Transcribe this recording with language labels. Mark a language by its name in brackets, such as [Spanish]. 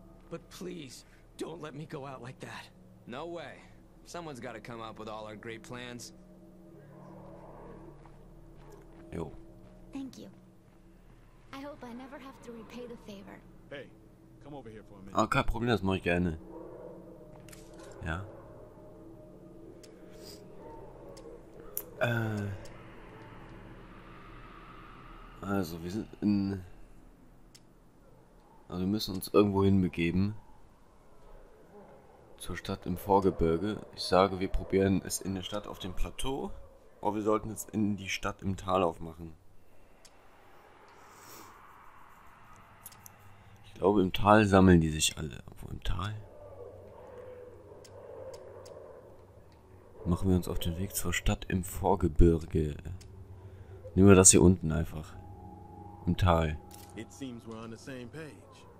[English] But please, don't let me go out like that. No way. Someone's gotta come up with all our great plans. Yo. Thank you. I hope I never have to repay the favor. Hey, come over here for a minute. [German] Ah, kein Problem, das mache ich gerne. Ja. Also, wir sind in... Also, wir müssen uns irgendwo hinbegeben. Zur Stadt im Vorgebirge. Ich sage, wir probieren es in der Stadt auf dem Plateau. Oder wir sollten es in die Stadt im Tal aufmachen. glaube, im Tal sammeln die sich alle. Wo im Tal? Machen wir uns auf den Weg zur Stadt im Vorgebirge. Nehmen wir das hier unten einfach. Im Tal. [English] It seems we're on the same page.